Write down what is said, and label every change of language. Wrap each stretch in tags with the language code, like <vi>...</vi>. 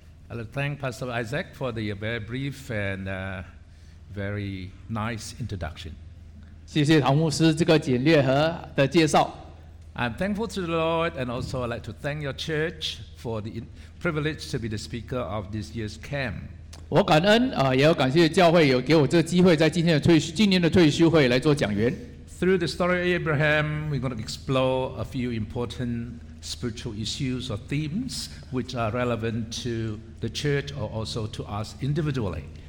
<en>I'd like to thank Pastor Isaac for the very brief and very nice introduction.</en> <zh>谢谢唐牧师这个简略和的介绍.</zh> <en>I'm thankful to the Lord, and also I'd like to thank your church for the privilege to be the speaker of this year's camp.</en> <zh>我感恩，也要感谢教会有给我这个机会，在今年的退休会来做讲员.</zh> <en>Through the story of Abraham, we're going to explore a few important spiritual issues or themes which are relevant to the church or also to us individually.</en>